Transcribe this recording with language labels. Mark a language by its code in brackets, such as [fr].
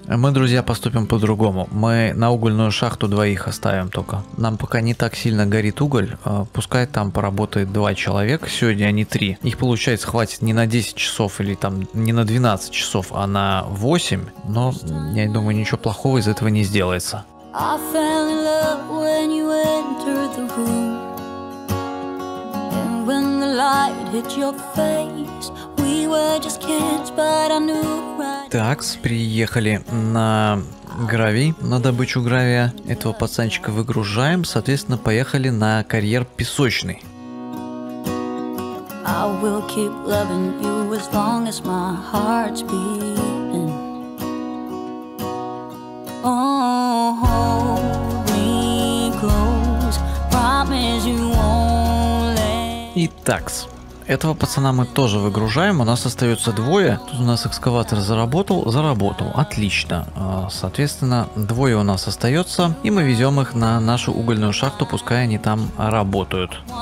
[ru] Мы, друзья, поступим по-другому, мы на угольную шахту двоих оставим только. Нам пока не так сильно горит уголь, пускай там работает 2 человека, сегодня они 3. Их получается хватит не на 10 часов или там не на 12 часов, а на 8. Но я думаю, ничего плохого из этого не сделается. [en] I fell in love when you entered the room. And when the light hit your face, we were just kids, but I knew right. [ru] Такс, приехали на гравий, на добычу гравия. Этого пацанчика выгружаем, соответственно, поехали на карьер песочный. [en] I will keep loving you as long as my heart's beating. Oh, hold me close, promise you won't let. [ru] Итак, этого пацана мы тоже выгружаем, у нас остается 2. Тут у нас экскаватор заработал, заработал, отлично. Соответственно, 2 у нас остается, и мы везем их на нашу угольную шахту, пускай они там работают.